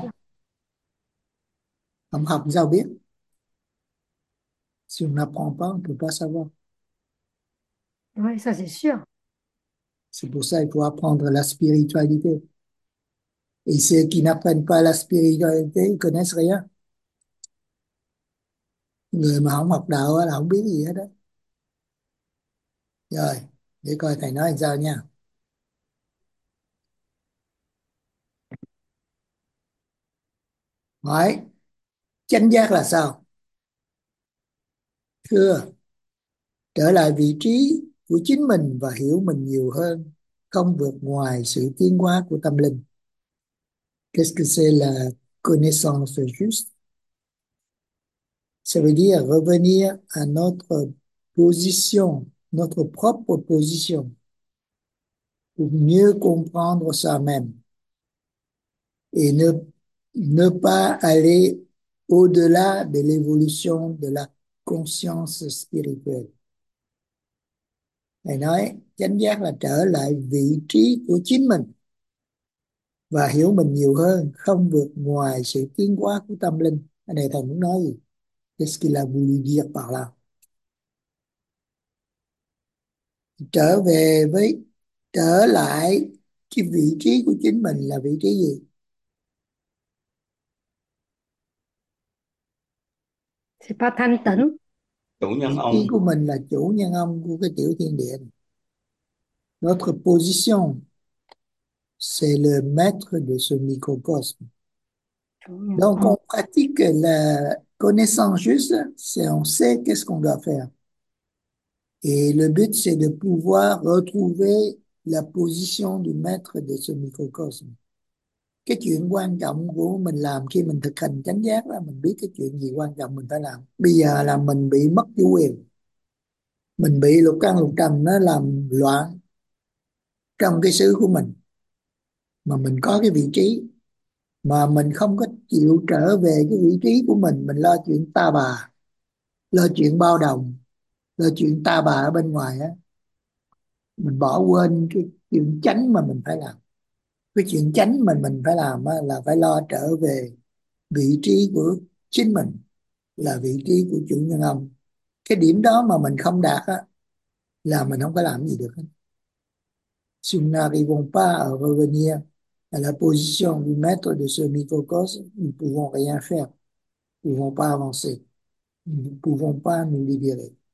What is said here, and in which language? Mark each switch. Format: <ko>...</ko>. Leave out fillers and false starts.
<vi>không? Không học sao biết?</vi> <fr>Si on n'apprend pas, on ne peut pas savoir. sûr. Oui, ça c'est sûr. C'est pour ça qu'il faut apprendre la spiritualité. Et ceux qui n'apprennent pas la spiritualité, ils ne connaissent rien.</fr> <vi>Người mà không học đạo là không biết gì hết đó. Rồi, để coi thầy nói làm sao nha. Hỏi, chánh giác là sao? Thưa, trở lại vị trí của chính mình và hiểu mình nhiều hơn, không vượt ngoài sự tiến hóa của tâm linh.</vi> <fr>Qu'est-ce que c'est la connaissance juste? Ça veut dire revenir à notre position, notre propre position, pour mieux comprendre soi-même et ne pas aller au-delà de l'évolution de la conscience spirituelle.</fr> <vi>Thầy nói, chánh giác là trở lại vị trí của chính mình và hiểu mình nhiều hơn, không vượt ngoài sự tiến hóa của tâm linh. Cái này thầy muốn nói gì?</vi> <fr>Qu'est-ce qu'il a voulu dire par là</fr> <vi>trở về với trở lại cái vị trí của chính mình là vị trí gì?</vi> <fr>C'est pas thanh tịnh.</fr> <vi>Chủ nhân Vị trí ông. của mình là chủ nhân ông của cái tiểu thiên địa.</vi> <fr>Notre position, c'est le maître de ce microcosme.</fr> <vi>Chủ nhân</vi> <fr>Donc,</fr> <vi>ông.</vi> <fr>on pratique la connaissance juste, c'est on sait qu'est-ce qu'on doit faire. Et le but, c'est de pouvoir retrouver la position du maître de ce microcosme.</fr> <vi>Cái chuyện quan trọng của mình làm khi mình thực hành chánh giác là mình biết cái chuyện gì quan trọng mình phải làm. Bây giờ là mình bị mất chủ quyền. Mình bị lục căn lục trần nó làm loạn trong cái xứ của mình. Mà mình có cái vị trí mà mình không có chịu trở về cái vị trí của mình lo chuyện ta bà, lo chuyện bao đồng, lo chuyện ta bà ở bên ngoài á, mình bỏ quên cái chuyện chánh mà mình phải làm. Cái chuyện chánh mà mình phải làm á, là phải lo trở về vị trí của chính mình, là vị trí của chủ nhân ông. Cái điểm đó mà mình không đạt á, là mình không có làm gì được hết.</vi> <fr>Si nous n'arrivons pas à revenir à la position du maître de ce microcosme, nous ne pouvons rien faire. Nous ne pouvons pas avancer. Nous ne pouvons pas nous libérer.</fr>